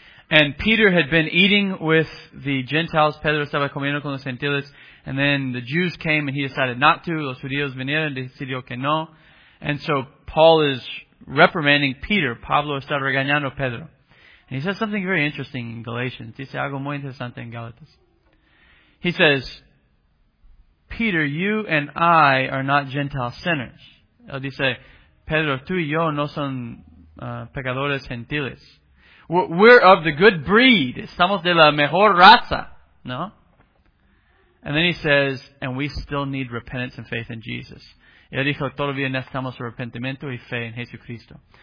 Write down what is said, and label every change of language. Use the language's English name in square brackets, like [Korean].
[English] And Peter had been eating with the Gentiles, Pedro estaba comiendo con los gentiles, and then the Jews came and he decided not to, los judíos vinieron y decidió que no. And so Paul is reprimanding Peter, Pablo está regañando a Pedro. And he says something very interesting in Galatians, dice algo muy interesante en Galatas. He says, Peter, you and I are not Gentile sinners. [Spanish] Él dice, Pedro, tú y yo no son pecadores gentiles. We're of the good breed. Estamos de la mejor raza. No? [English] And then he says, and we still need repentance and faith in Jesus. [Spanish] Y él dijo, todavía necesitamos arrepentimiento y fe en Jesucristo.